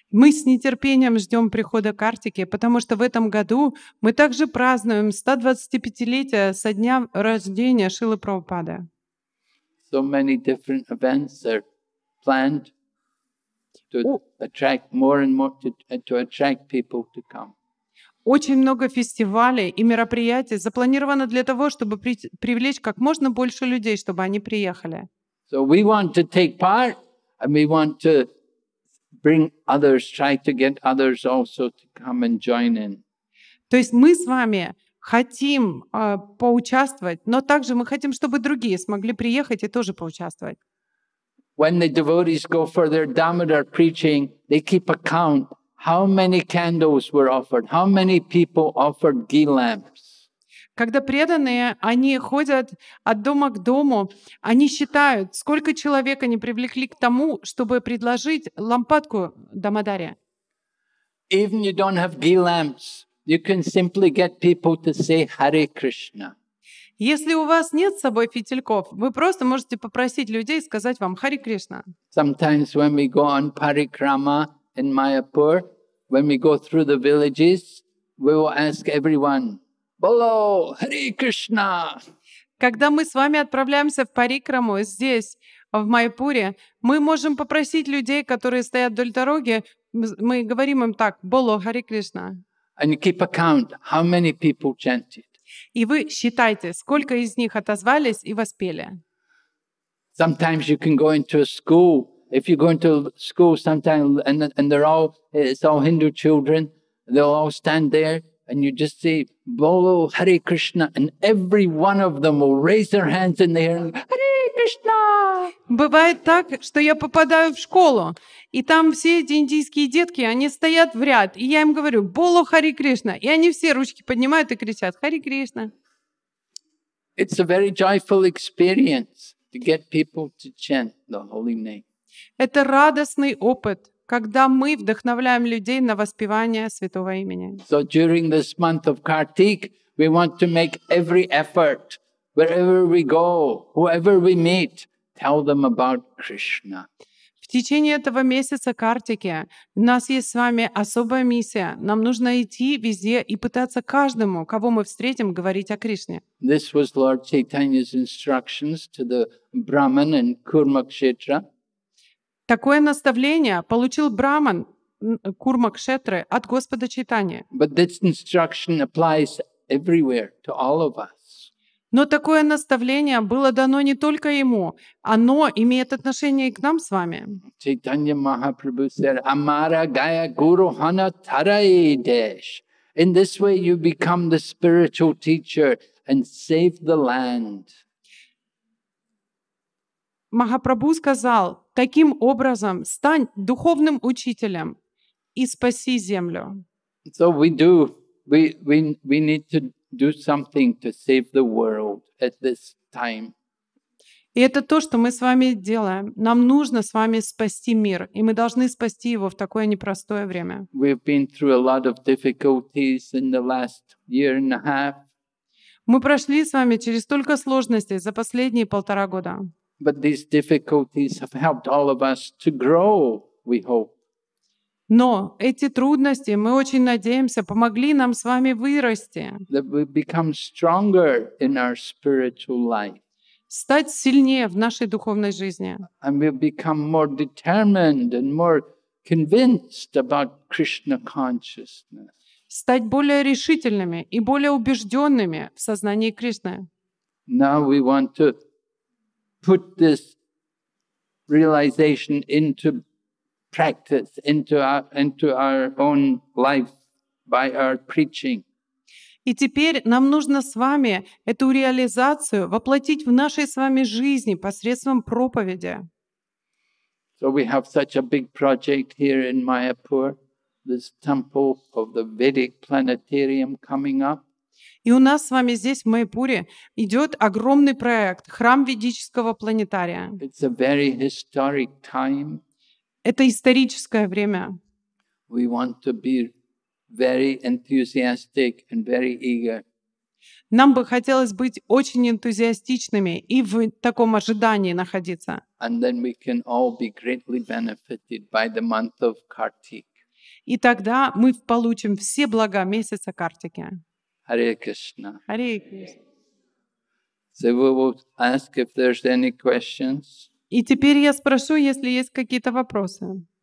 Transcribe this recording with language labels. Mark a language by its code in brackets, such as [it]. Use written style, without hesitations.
[ru] Мы с нетерпением ждем прихода Картики, потому что в этом году мы также празднуем 125-летие со дня рождения Шрилы Прабхупады. [en] So many different events are planned to attract people to come. [ru] Очень много фестивалей и мероприятий запланировано для того, чтобы привлечь как можно больше людей, чтобы они приехали. [en] So we want to take part and we want to bring others, try to get others also to come and join in. [ru] То есть мы с вами хотим поучаствовать, но также мы хотим, чтобы другие смогли приехать и тоже поучаствовать. [en] When the devotees go for their Damodar preaching, they keep a count how many candles were offered, how many people offered ghee lamps. [ru] Когда преданные, они ходят от дома к дому, они считают, сколько человек они привлекли к тому, чтобы предложить лампадку Дамодаре. [en] Even you don't have ghee lamps, you can simply get people to say Hare Krishna. [ru] Если у вас нет с собой фитильков, вы просто можете попросить людей сказать вам Хари Кришна. [en] Sometimes when we go on parikrama in Mayapur, when we go through the villages, we will ask everyone, [bn] Bolo, Hare Krishna. [ru] Когда мы с вами отправляемся в парикраму здесь, в Майпуре, мы можем попросить людей, которые стоят вдоль дороги, мы говорим им так: [bn] «Боло, Хари Кришна». [en] And you keep account how many people chanted. [ru] И вы считайте, сколько из них отозвались и воспели. [en] Sometimes you can go into a school. If you go into a school, sometimes and they're all it's all Hindu children, they'll all stand there, and you just see [bn] Bolo Hare Krishna, [en] and every one of them will raise their hands in the air and Hare Krishna. [ru] Бывает так, что я попадаю в школу, и там все эти индийские детки, они стоят в ряд, и я им говорю [bn] Bolo Hare Krishna, [ru] и они все ручки поднимают и кричат Hare Krishna. [en] It's a very joyful experience to get people to chant the holy name. [ru] Это радостный опыт, когда мы вдохновляем людей на воспевание святого имени. [en] So during this month of Kartik, we want to make every effort, wherever we go, whoever we meet, tell them about Krishna. [ru] В течение этого месяца Картики у нас есть с вами особая миссия. Нам нужно идти везде и пытаться каждому, кого мы встретим, говорить о Кришне. [en] This was Lord Chaitanya's instructions to the Brahman in Kurukshetra. [ru] Такое наставление получил Браман Курмакшетры от Господа Чайтаньи. [en] But this instruction applies everywhere to all of us. [ru] Но такое наставление было дано не только ему, оно имеет отношение и к нам с вами. [bn] Чайтанья Махапрабху [en] said, [bn] Amara Gaya Guru Hana Taraidesh. [en] In this way you become the spiritual teacher and save the land. [ru] Махапрабху сказал, таким образом стань духовным учителем и спаси землю. [en] So we do. We need to do something to save the world at this time. [ru] И это то, что мы с вами делаем. Нам нужно с вами спасти мир, и мы должны спасти его в такое непростое время. [en] We've been through a lot of difficulties in the last year and a half. [ru] Мы прошли с вами через столько сложностей за последние полтора года. [en] But these difficulties have helped all of us to grow, we hope. [ru] Но эти трудности, мы очень надеемся, помогли нам с вами вырасти. [en] That we become stronger in our spiritual life. [ru] Стать сильнее в нашей духовной жизни. [en] And we become more determined and more convinced about Krishna consciousness. [ru] Стать более решительными и более убежденными в сознании Кришны. [en] Now we want to put this realization into practice, into our own life by our preaching. [ru] И теперь нам нужно с вами эту реализацию воплотить в нашей с вами жизни посредством проповеди. [en] So we have such a big project here in Mayapur, this temple of the Vedic planetarium coming up. [ru] И у нас с вами здесь, в Майпуре, идет огромный проект — храм ведического планетария. [en] It's a very historic time. [ru] Это историческое время. [en] We want to be very enthusiastic and very eager. [ru] Нам бы хотелось быть очень энтузиастичными и в таком ожидании находиться. [en] And then we can all be greatly benefited by the month of Kartik. [ru] И тогда мы получим все блага месяца Картики. [sa] Hare Krishna. Hare Krishna. [en] So we will ask if there's any questions. [ru] И теперь я спрошу, если есть какие-то вопросы.